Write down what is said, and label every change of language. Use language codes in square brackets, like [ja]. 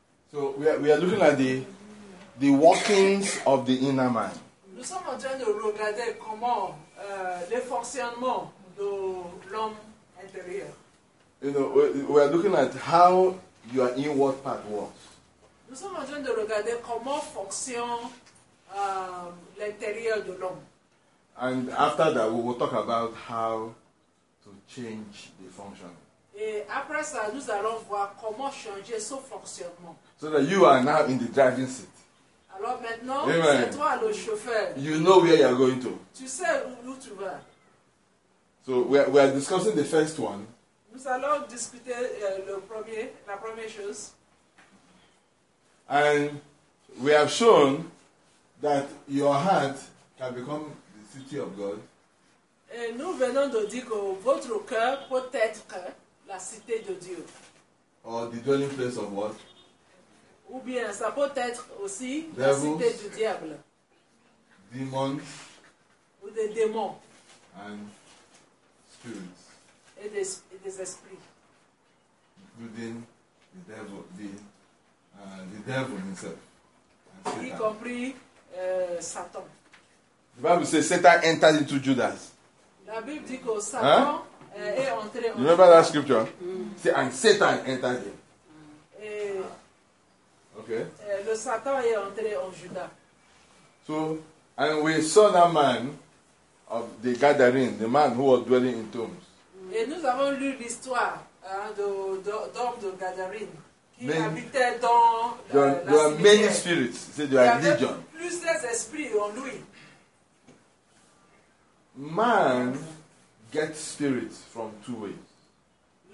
[en] So we are looking at the workings of the inner man. [fr] Nous sommes en train de regarder comment le fonctionnement de l'homme intérieur. [en] You know, we are looking at how your inward part works. [fr] Nous sommes en train de regarder comment fonctionne l'intérieur de l'homme. [en] And after that, we will talk about how to change the function. [fr] Et après ça, nous allons voir comment changer son fonctionnement. [en] So that you are now in the driving seat. [fr] Alors maintenant, Amen. C'est toi le chauffeur. [en] You know where you are going to. [fr] Tu sais où tu vas. [en] So we are discussing the first one. [fr] Nous allons discuter la première chose. [en] And we have shown that your heart can become the city of God. [fr] Et nous venons de dire que votre cœur peut être la cité de Dieu. [en] Or the dwelling place of what? [fr] Ou bien ça peut être aussi devils, la cité du diable. [en] Demons. [fr] Ou des démons. [en] And spirits. [fr] Et des esprits. [en] Including the devil, the devil himself. [fr] Y compris Satan. [en] The Bible says Satan entered into Judas. [fr] La Bible dit que Satan est entré en [en] Judas. Remember that scripture? See, and Satan entered him. [fr] Le Satan est entré en Judas. [en] So, and we saw that man of the gathering, the man who was dwelling in tombs. [fr] Et nous avons lu l'histoire d'homme de gathering qui habitait dans [en] There are many spirits. So there are legion. [fr] Plusieurs esprits en lui. [en] Man gets spirits from two ways.